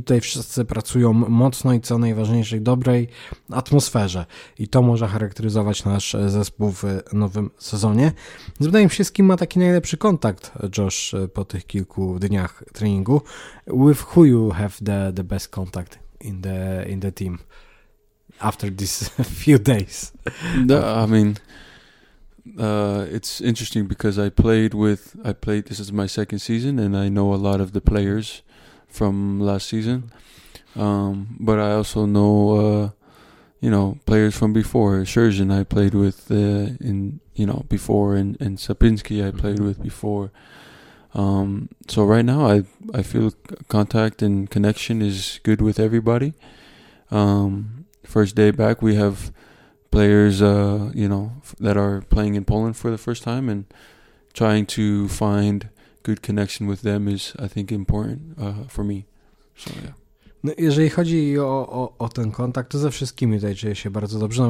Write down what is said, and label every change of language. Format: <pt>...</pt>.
<pl>Tutaj wszyscy pracują mocno i co najważniejsze, dobrej atmosferze. I to może charakteryzować nasz zespół w nowym sezonie. Wydaje mi się, z kim ma taki najlepszy kontakt Josh po tych kilku dniach treningu.</pl> <en>With who you have the best contact in the team after these few days? No, I mean, it's interesting because I played, this is my second season, and I know a lot of the players from last season. But I also know, players from before. Sherzhin I played with before, and Sapinski I played with before. So right now I feel contact and connection is good with everybody. First day back, we have players, that are playing in Poland for the first time, and trying to find good connection with them is, I think, important for me. So, yeah.</en> <pl>No, jeżeli chodzi o ten kontakt, to ze wszystkimi tutaj czuję się bardzo dobrze.</pl>